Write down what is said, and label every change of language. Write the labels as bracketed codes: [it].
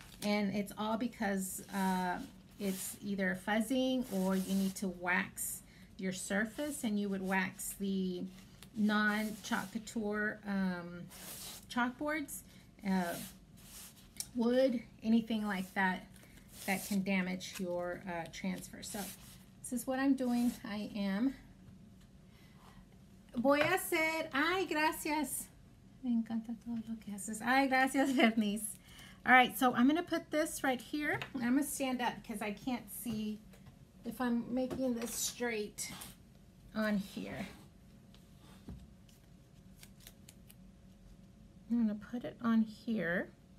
[en] And it's all because it's either fuzzing, or you need to wax your surface, and you would wax the non-Chalk Couture chalkboards, wood, anything like that, that can damage your transfer. So this is what I'm doing. I am, [es] voy a hacer, ay gracias, me encanta todo lo que haces, ay gracias Bernice. [en] All right, so I'm gonna put this right here. I'm gonna stand up because I can't see if I'm making this straight on here. I'm gonna put it on here.